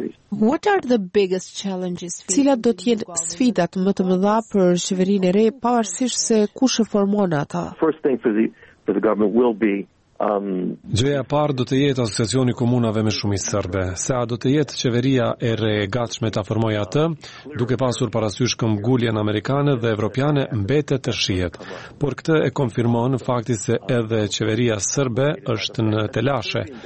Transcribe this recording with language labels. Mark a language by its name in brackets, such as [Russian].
[English] What are the biggest challenges? [Albanian] Cilat do të jenë sfidat më të mëdha për qeverinë e re, pavarësisht se kush e formon ata? [English] First thing for the government will be [Albanian] Gjëja parë do të jetë asociacioni komunave me shumicë serbe. Sa do të jetë qeveria e re e gatshme ta formojë atë, duke pasur parasysh këmbgulljen amerikane dhe evropiane mbetet të shihet. Por këtë e konfirmon fakti se edhe qeveria serbe është në telashe.